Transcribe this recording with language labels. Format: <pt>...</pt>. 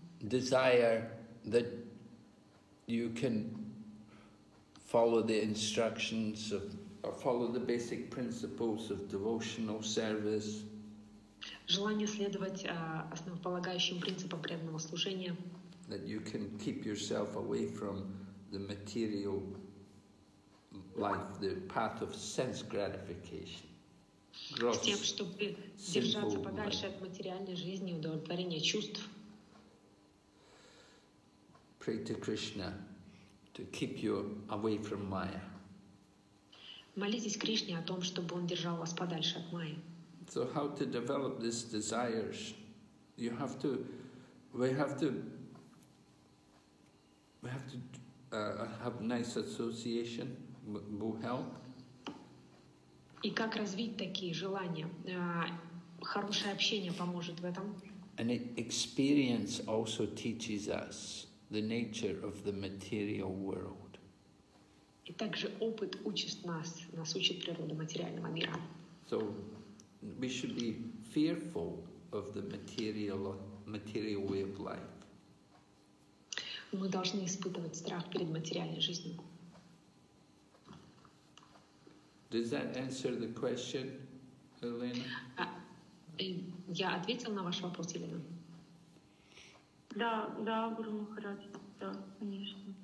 <en>Desire that you can follow the instructions of, or follow the basic principles of devotional service.</en> <ru>Желание следовать основополагающим принципам преданного служения.</ru> <en>That you can keep yourself away from the material life, the path of sense gratification.</en> <ru>Gross, с тем, чтобы держаться подальше от материальной жизни, удовлетворения чувств.</ru> <en>Pray to Krishna to keep you away from Maya.</en> <ru>Молитесь Кришне о том, чтобы он держал вас подальше от майи.</ru> <en>So how to develop these desires? You have to, we have to have nice association, will help.</en> <ru>И как развить такие желания? Хорошее общение поможет в этом.</ru> <en>And experience also teaches us the nature of the material world.</en> <ru>И также опыт учит нас, нас учит природу материального мира.</ru> <en>So we should be fearful of the material way of life.</en> <ru>Мы должны испытывать страх перед материальной жизнью.</ru> <en>Does that answer the question, Elena?</en> <ru>Я ответила на ваш вопрос, Елена. Да, Гуру Махарадж, да, конечно.</ru>